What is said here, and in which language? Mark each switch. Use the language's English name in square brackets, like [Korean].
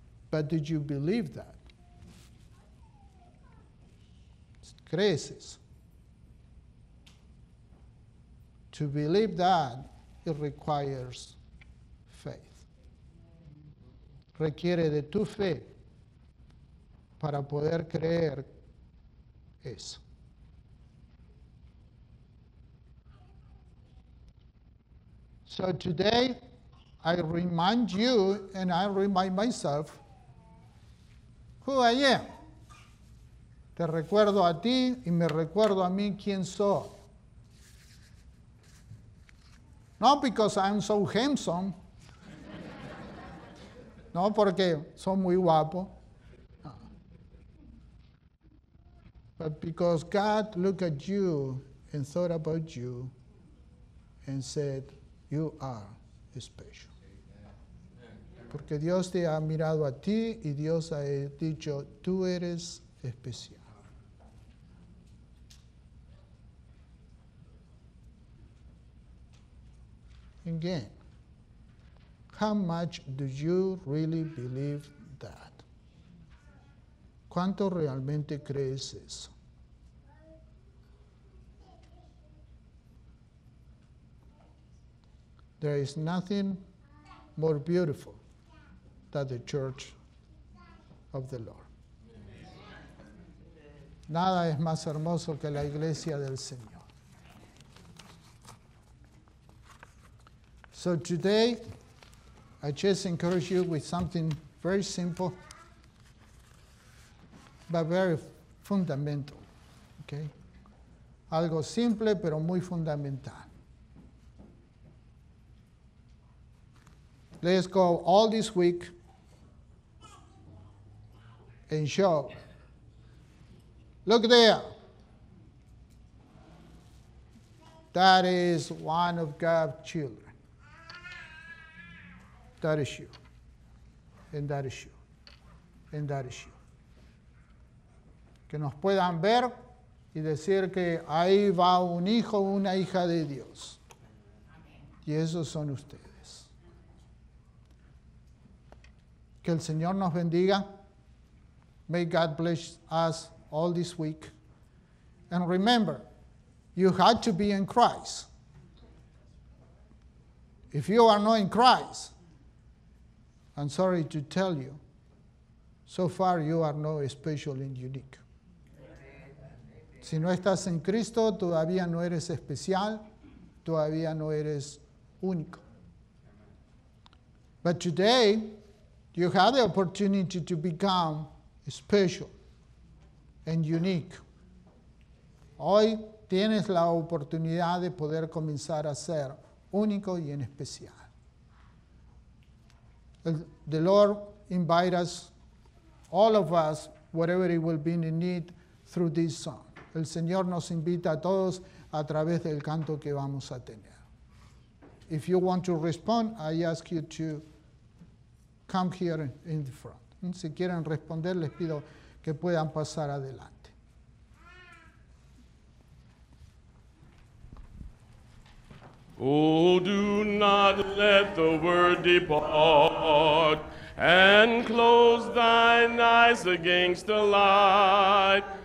[English] But did you believe that? [Spanish] ¿Crees eso? [English] To believe that, it requires faith. [Spanish] Requiere de tu fe para poder creer eso. [English] So today, I remind you and I remind myself who I am. [Spanish] Te recuerdo a ti y me recuerdo a mí quién soy. [English] Not because I'm so handsome. [Spanish] No, porque soy muy guapo. No. [English] But because God looked at you and thought about you and said, you are special. [Spanish] Porque Dios te ha mirado a ti y Dios ha dicho, tú eres especial. [English] Again, how much do you really believe that? [Spanish] ¿Cuánto realmente crees eso? [English] There is nothing more beautiful than the church of the Lord. [Spanish] Nada es más hermoso que la iglesia del Señor. [English] So today, I just encourage you with something very simple, but very fundamental, okay? [Spanish] Algo simple, pero muy fundamental. [English] Let's go all this week and show. Look there. That is one of God's children. That is you, and that is you, and that is you. [Spanish] Que nos puedan ver y decir que ahí va un hijo o una hija de Dios. Y esos son ustedes. Que el Señor nos bendiga. [English] May God bless us all this week. And remember, you had to be in Christ. If you are not in Christ, I'm sorry to tell you, so far you are not special and unique. [Spanish] Si no estás en Cristo, todavía no eres especial, todavía no eres único. [English] But today, you have the opportunity to become special and unique. [Spanish] Hoy tienes la oportunidad de poder comenzar a ser único y en especial. [English] The Lord invites us, all of us, whatever it will be in need, through this song. [Spanish] El Señor nos invita a todos a través del canto que vamos a tener. [English] If you want to respond, I ask you to come here in the front. [Spanish] Si quieren responder, les pido que puedan pasar adelante. [English] Oh, do not let the word depart, and close thine eyes against the light.